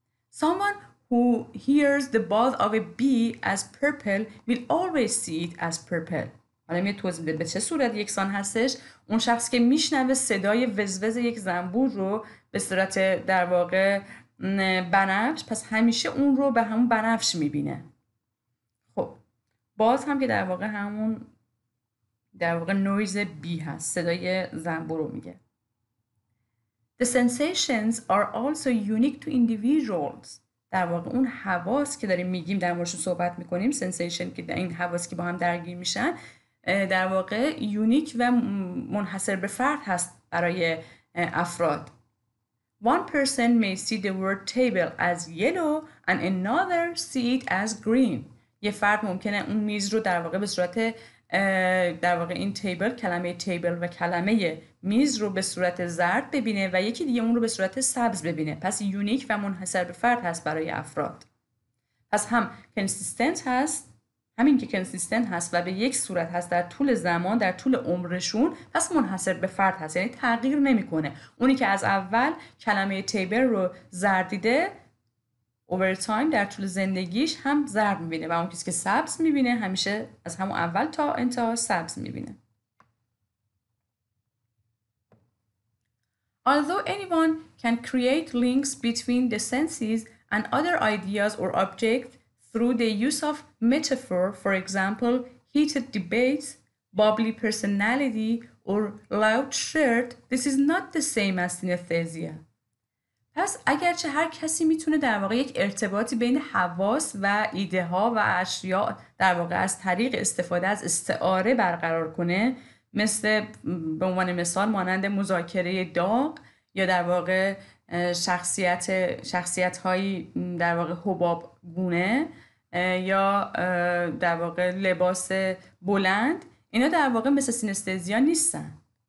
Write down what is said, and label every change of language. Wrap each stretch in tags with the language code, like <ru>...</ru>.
<en>Someone who hears the buzz of a bee as purple will always see it as purple.</en> <fa>حالا می توضیح بده به چه صورت یکسان هستش. اون شخص که میشنوه صدای وزوز یک زنبور رو به صورت در واقع بنفش، پس همیشه اون رو به همون بنفش میبینه. خب باز هم که در واقع همون در واقع نویز بی هست، صدای زنبور رو میگه.</fa> <en>The sensations are also unique to individuals.</en> <fa>در واقع اون حواس که داریم میگیم در موردشون صحبت میکنیم، سنسیشن که در این حواس که با هم درگیر میشن، در واقع یونیک و منحصر به فرد هست برای افراد.</fa> <en>One person may see the word table as yellow and another see it as green.</en> <fa>یه فرد ممکنه اون میز رو در واقع به صورت در واقع این تیبل، کلمه تیبل و کلمه میز رو به صورت زرد ببینه و یکی دیگه اون رو به صورت سبز ببینه. پس یونیک و منحصر به فرد هست برای افراد. پس هم کنسیستنت هست، همین که کنسیستنت هست و به یک صورت هست در طول زمان، در طول عمرشون، پس منحصر به فرد هست، یعنی تغییر نمیکنه. اونی که از اول کلمه تیبل رو زرد دیده over time در طول زندگیش هم زرد میبینه و اون کسی که سبز میبینه همیشه از همون اول تا انتها سبز میبینه.</fa> <en>Although anyone can create links between the senses and other ideas or objects through the use of metaphor, for example, heated debates, bubbly personality or loud shirt, this is not the same as synesthesia.</en> <fa>پس اگرچه هر کسی میتونه در واقع یک ارتباطی بین حواس و ایده ها و اشیاء در واقع از طریق استفاده از استعاره برقرار کنه، مثل به عنوان مثال مانند مذاکره داغ یا در واقع شخصیت هایی در واقع حباب گونه یا در واقع لباس بلند، اینا در واقع مثل سینستزیا نیستن.</fa>